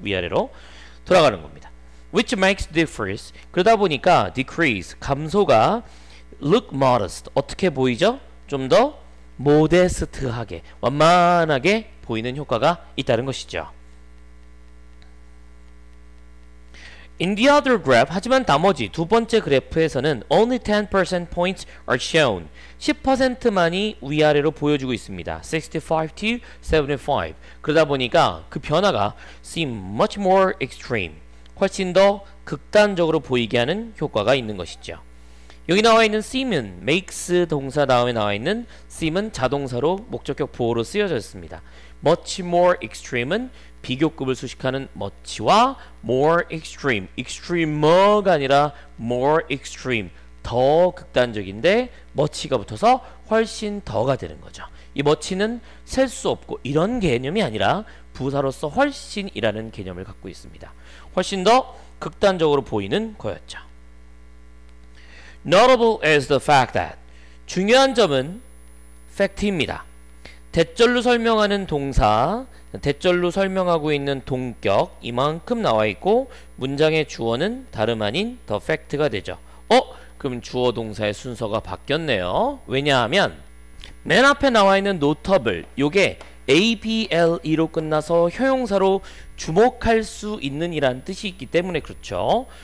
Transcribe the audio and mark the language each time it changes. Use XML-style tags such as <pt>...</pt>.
<ko>위아래로 돌아가는 겁니다.</ko> <en>Which makes decrease.</en> <ko>그러다 보니까 decrease, 감소가</ko> <en>look modest.</en> <ko>어떻게 보이죠? 좀 더 모데스트하게, 완만하게 보이는 효과가 있다는 것이죠.</ko> <en>In the other graph,</en> <ko>하지만 나머지 두 번째 그래프에서는</ko> <en>only 10% points are shown.</en> <ko>10%만이 위아래로 보여주고 있습니다.</ko> <en>65 to 75.</en> <ko>그러다 보니까 그 변화가</ko> <en>seem much more extreme.</en> <ko>훨씬 더 극단적으로 보이게 하는 효과가 있는 것이죠. 여기 나와 있는 seem은 makes 동사 다음에 나와 있는 seem은 자동사로 목적격 보호로 쓰여져 있습니다. much more extreme은 비교급을 수식하는 much와 more extreme, extremer가 아니라 more extreme, 더 극단적인데 much가 붙어서 훨씬 더가 되는 거죠. 이 much는 셀 수 없고 이런 개념이 아니라 부사로서 훨씬이라는 개념을 갖고 있습니다. 훨씬 더 극단적으로 보이는 거였죠.</ko> <en>Notable is the fact that</en> <ko>중요한 점은 fact입니다. 대절로 설명하는 동사, 대절로 설명하고 있는 동격 이만큼 나와 있고 문장의 주어는 다름 아닌 the fact가 되죠. 어? 그럼 주어 동사의 순서가 바뀌었네요. 왜냐하면 맨 앞에 나와 있는 notable 요게 able로 끝나서 형용사로 주목할 수 있는 이란 뜻이 있기 때문에 그렇죠.</ko>